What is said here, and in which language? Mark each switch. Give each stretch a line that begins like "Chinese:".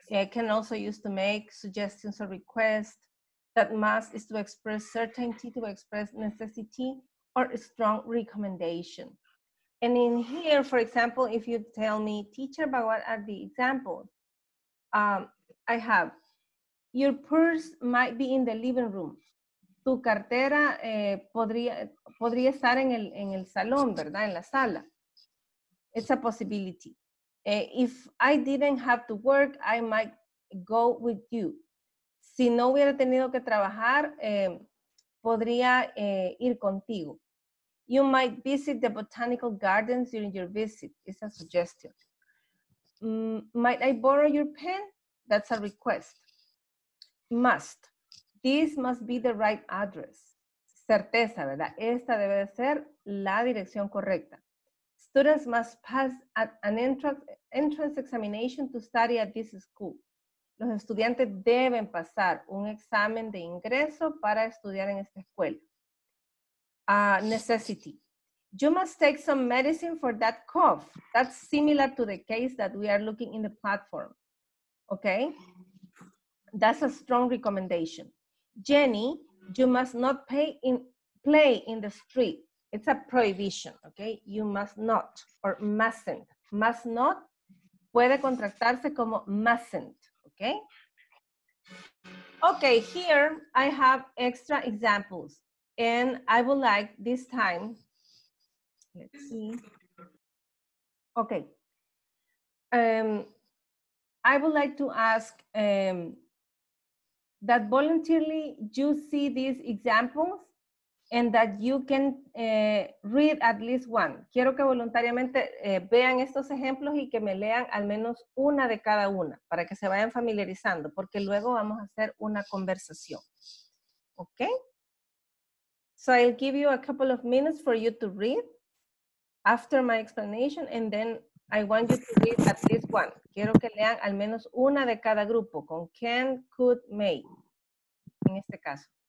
English: Can also use to make suggestions or requests. That must is to express certainty, to express necessity, or a strong recommendation. And in here, for example, if you tell me, teacher, but what are the examples? I have, your purse might be in the living room.
Spanish: Tu cartera podría estar en el salón, ¿verdad? En la sala.
English: It's a possibility. If I didn't have to work, I might go with you.
Spanish: Si no hubiera tenido que trabajar, podría ir contigo.
English: You might visit the botanical gardens during your visit. It's a suggestion. Might I borrow your pen? That's a request. Must. This must be the right address. Certeza, ¿verdad? Esta debe de ser la dirección correcta. Students must pass an entrance examination to study at this school.
Spanish: Los estudiantes deben pasar un examen de ingreso para estudiar en esta escuela.
English: Necessity. You must take some medicine for that cough. That's similar to the case that we are looking in the platform. Okay? That's a strong recommendation. Jenny, you must not play in the street. It's a prohibition. Okay? You must not or mustn't.
Spanish: Must not puede contractarse como mustn't. Okay?
English: Okay, here I have extra examples. And I would like this time, let's see. Okay. I would like to ask that voluntarily you see these examples and that you can read at least one.
Spanish: Quiero que voluntariamente vean estos ejemplos y que me lean al menos una de cada una para que se vayan familiarizando, porque luego vamos a hacer una conversación.
English: Okay. So I'll give you a couple of minutes for you to read after my explanation, and then I want you to read at least one. Quiero que lean al menos una de cada grupo con can, could, may. en este caso.